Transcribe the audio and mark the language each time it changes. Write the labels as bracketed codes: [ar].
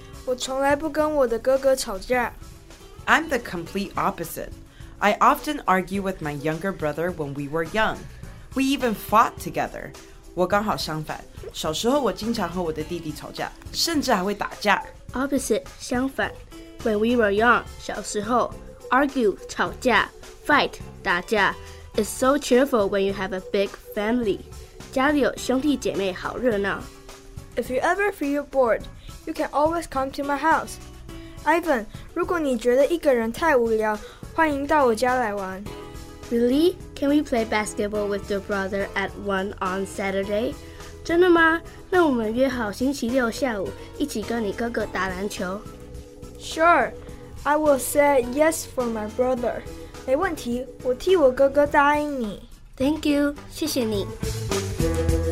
[zh] 我从来不跟我的哥哥吵架。 [en] I'm the complete opposite. I often argue with my younger brother when we were young. We even fought together. [zh] 我刚好相反，小时候我经常和我的弟弟吵架，甚至还会打架。 [en] Opposite, [zh] 相反。 [en] When we were young, [zh] 小时候。 [en] Argue, [zh] 吵架。 [en] Fight, [zh] 打架。 [en] It's so cheerful when you have a big family. [zh] 家里有兄弟姐妹好热闹。 [en] If you ever feel bored, you can always come to my house. [zh] Ivan, 如果你觉得一个人太无聊，欢迎到我家来玩。 [en] Really? Can we play basketball with your brother at 1 on Saturday? [zh] 真的吗？那我们约好星期六下午一起跟你哥哥打篮球。 [en] Sure, I will say yes for my brother. [zh] 没问题，我替我哥哥答应你。 [en] Thank you, [zh] 谢谢你。